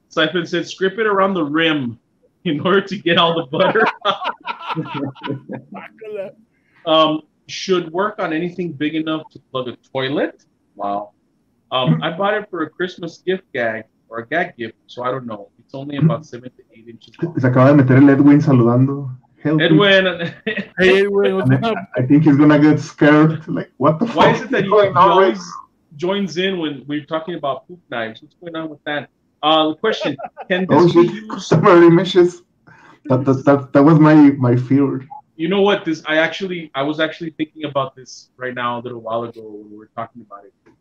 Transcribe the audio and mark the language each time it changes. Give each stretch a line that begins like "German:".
English: Siphon said, "Scrape it around the rim in order to get all the butter." should work on anything big enough to plug a toilet. Wow. I bought it for a Christmas gift gag, or a gag gift, so I don't know. It's only about 7 to 8 inches long.
Spanish: Se acaba de meter el Edwin saludando.
English: Help Edwin. Hey, Edwin, what's up? I think he's going to get scared. Like, what the Why fuck? Why is it that he always joins in when we're talking about poop knives? What's going on with that? The question, can this be used... Customer images. That was my fear. You know what? I was actually thinking about this right now a little while ago when we were talking about it.